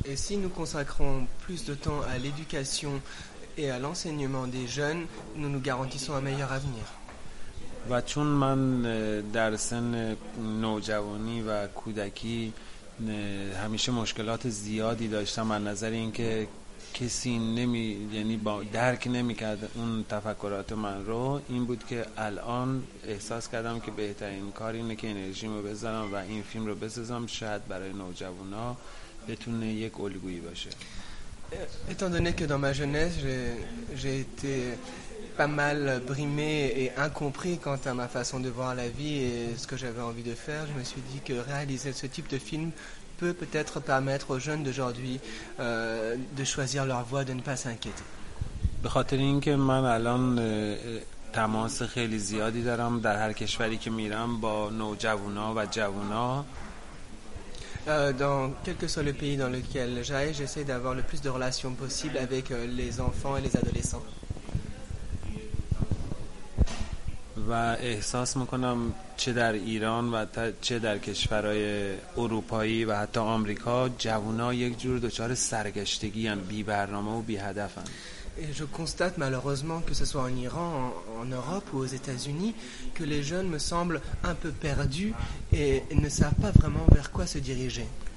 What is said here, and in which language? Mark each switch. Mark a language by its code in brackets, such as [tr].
[fr] Et si nous consacrons plus de temps à l'éducation et à l'enseignement des jeunes, nous nous garantissons un meilleur avenir. [fa] و چون من در سن نوجوانی و کودکی همیشه مشکلات زیادی داشتم از نظر اینکه کسی یعنی با درک نمی‌کرد اون تفکرات من رو، این بود که الان احساس کردم که بهترین کار اینه که انرژیمو بذارم و این فیلم رو بسازم، شاید برای نوجوانا بتونه یک الگویی باشه. [fr] Étant donné que dans ma jeunesse j'ai été pas mal brimé et incompris quant à ma façon de voir la vie et ce que j'avais envie de faire, je me suis dit que réaliser ce type de film peut-être permettre aux jeunes d'aujourd'hui de choisir leur voie, de ne pas s'inquiéter. [fa] به خاطر اینکه من الان تماس خیلی زیادی دارم در هر کشوری که میرم با نوجوانا و جوانا. [fr] Dans quel que soit le pays dans lequel j'aille, j'essaie d'avoir le plus de relations possible avec les enfants et les adolescents. [fa] و احساس میکنم چه در ایران و چه در کشورهای اروپایی و حتی آمریکا، جوونا یک جور دچار سرگشتگی هم، بی برنامه و بی هدف هم. [fr] Et je constate malheureusement que ce soit en Iran, en Europe ou aux États-Unis que les jeunes me semblent un peu perdus et ne savent pas vraiment vers quoi se diriger.